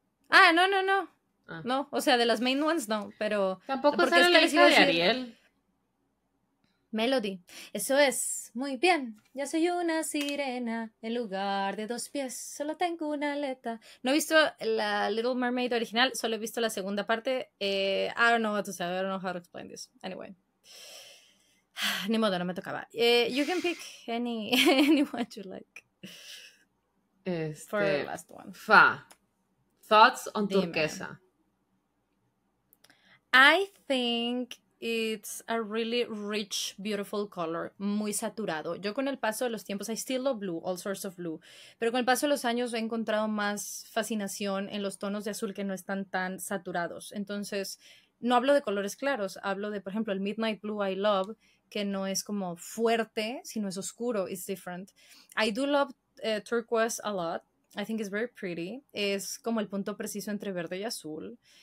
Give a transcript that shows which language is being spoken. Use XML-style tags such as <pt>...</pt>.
<es>Ah, no. Ah. No, o sea, de las</es> <en>main ones</en> <es>no, pero... Tampoco sabe la hija de Ariel. Melody. Eso es. Muy bien. Ya soy una sirena. En lugar de dos pies, solo tengo una aleta. No he visto la Little Mermaid original, solo he visto la segunda parte.</es> <en>I don't know what to say. I don't know how to explain this. Anyway.</en> <es>Ni modo, no me tocaba.</es> <en>You can pick anyone you like. For the last one. Fa. Thoughts on Dime. Turquesa. I think... It's a really rich, beautiful color,</en> <es>muy saturado. Yo con el paso de los tiempos,</es> <en>I still love blue, all sorts of blue,</en> <es>pero con el paso de los años he encontrado más fascinación en los tonos de azul que no están tan saturados. Entonces, no hablo de colores claros, hablo de, por ejemplo, el midnight blue</es> <en>I love,</en> <es>que no es como fuerte, sino es oscuro,</es> <en>it's different. I do love turquoise a lot, I think it's very pretty.</en> <es>Es como el punto preciso entre verde y azul.</es>